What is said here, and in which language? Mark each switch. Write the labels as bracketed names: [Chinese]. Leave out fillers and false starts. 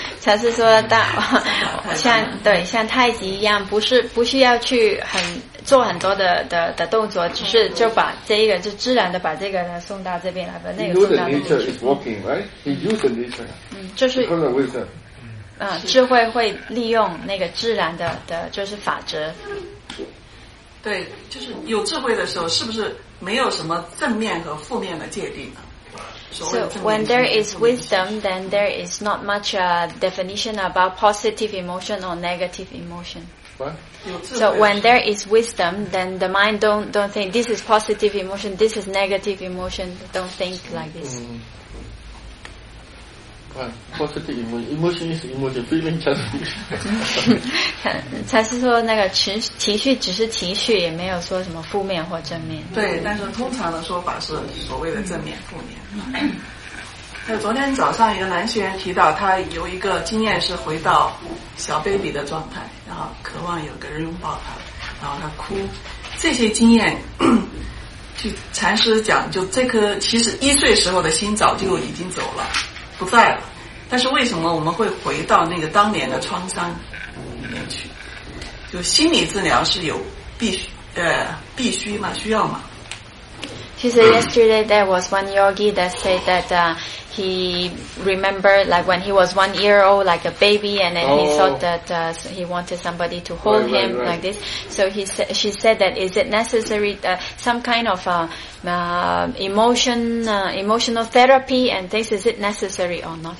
[Chinese] 禅师说大像太极一样，不需要去做很多 的动作，只是就把这一个就自然的把这个呢送到这边来，把那个送到那边去。 [English] He knew the nature is working, right? He used the nature. [Chinese] 就是。 [English] Because of wisdom. [Chinese] 智慧会利用那个自然的就是法则。对，就是有智慧的时候，是不是没有什么正面和负面的界定呢？ [English] So when there is wisdom, then there is not much definition about positive emotion or negative emotion. What? So when there is wisdom, then the mind don't think this is positive emotion, this is negative emotion. Don't think like this. Positive emotion is emotion, feeling just. [Chinese] 他是说那个情绪只是情绪，也没有说什么负面或正面。对，但是通常的说法是所谓的正面、负面。那昨天早上一个男学员提到，他有一个经验是回到小 baby 的状态，然后渴望有个人拥抱他，然后他哭。这些经验，据禅师讲，就这颗其实一岁时候的心早就已经走了，不在了。但是为什么我们会回到那个当年的创伤里面去？就心理治疗是有必须必须嘛，需要嘛。 [English] She said yesterday there was one yogi that said that he remembered like when he was 1 year old, like a baby, and then he thought that he wanted somebody to hold him right. like this. So she said that is it necessary some kind of emotional therapy and this, is it necessary or not?